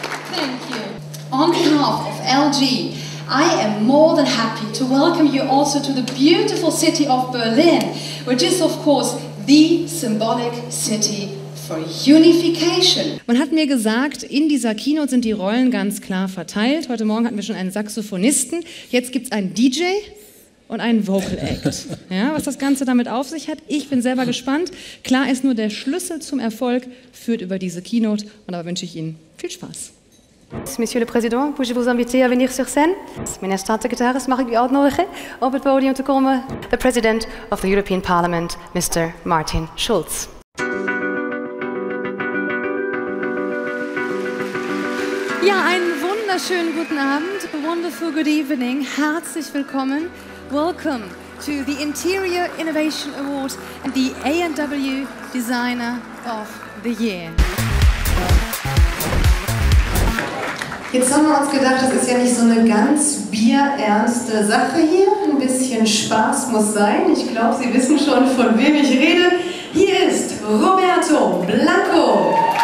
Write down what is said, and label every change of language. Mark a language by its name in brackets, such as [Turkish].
[English] Thank you. On behalf of LG, I am more than happy to welcome you also to the beautiful city of Berlin, which is, of course, the symbolic city for unification. [German] Man hat mir gesagt, in dieser Keynote sind die Rollen ganz klar verteilt. Heute Morgen hatten wir schon einen Saxophonisten. Jetzt gibt es einen DJ und einen Vocal Act. Ja, was das Ganze damit auf sich hat, ich bin selber gespannt. Klar ist nur, der Schlüssel zum Erfolg führt über diese Keynote. Und dabei wünsche ich Ihnen viel Spaß. [French] Monsieur le Président, puis-je vous inviter à venir sur scène? [Dutch] Meneer Staatssecretaris, mag ik u uitnodigen op het podium te komen? [English] The President of the European Parliament, Mr. Martin Schulz. [German] Ja, einen wunderschönen guten Abend, [English] a wonderful good evening, [German] herzlich willkommen. [English] Welcome to the Interior Innovation Award and the A&W Designer of the Year. [German] Jetzt haben wir uns gedacht, das ist ja nicht so eine ganz bierernste Sache hier. Ein bisschen Spaß muss sein. Ich glaube, Sie wissen schon, von wem ich rede. Hier ist Roberto Blanco.